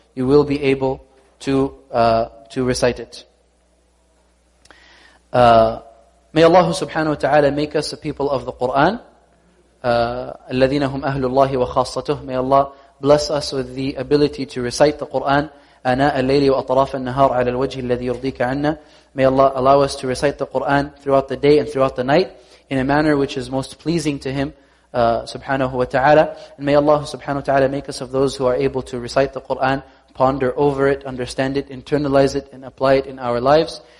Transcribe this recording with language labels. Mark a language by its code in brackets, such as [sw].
[en] You will be able to recite it. May Allah subhanahu wa ta'ala make us a people of the Qur'an. [ar] الَّذِينَ هُمْ أَهْلُ اللَّهِ وَخَاصَّتُهُ. [en] May Allah bless us with the ability to recite the Qur'an [ar] آناء الليل وأطراف النهار على الوجه الذي يرضيك عنا. [en] May Allah allow us to recite the Quran throughout the day and throughout the night in a manner which is most pleasing to Him, subhanahu wa ta'ala. And may Allah subhanahu wa ta'ala make us of those who are able to recite the Quran, ponder over it, understand it, internalize it, and apply it in our lives.